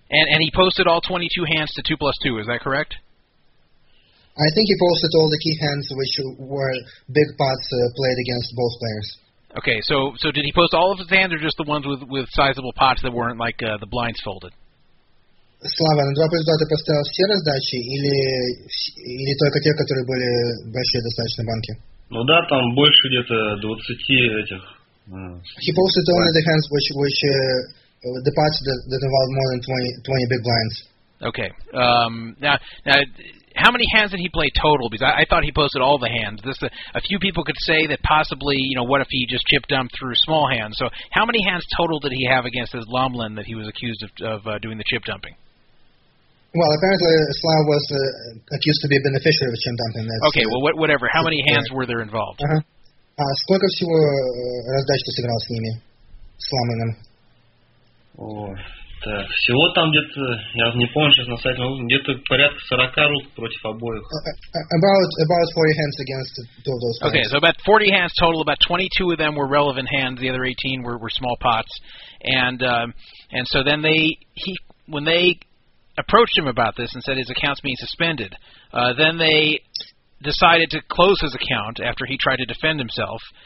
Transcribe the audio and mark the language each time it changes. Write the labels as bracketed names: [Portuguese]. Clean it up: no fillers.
[English] And he posted all 22 hands to 2 plus 2, is that correct? I think he posted all the key hands, which were big pots played against both players. Okay, so did he post all of his hands, or just the ones with sizable pots that weren't like the blinds folded? [Russian] Слава, на два поезда ты поставил все раздачи, или только те, которые были большие достаточно банки? Ну да, там больше где-то 20 этих. [English] He posted only the hands which the pots that involved more than 20 big blinds. Okay. Now, how many hands did he play total? Because I thought he posted all the hands. A few people could say that possibly, you know, what if he just chipped them through small hands? So how many hands total did he have against his Lomlin that he was accused of doing the chip dumping? Well, apparently Slav was accused to be a beneficiary of chip dumping. That's, okay, well, whatever. How many hands were there involved? Uh-huh. [Russian] Сколько всего раздач ты сыграл с ними, с Ломлином? Так, всего там где-то, я не помню сейчас на сайте, но где-то порядка 40 рук против обоих. [English] About 40 hands against two of those guys. Okay, so about 40 hands total, about 22 of them were relevant hands, the other 18 were small pots. And so then when they approached him about this and said his account's being suspended, then they decided to close his account after he tried to defend himself.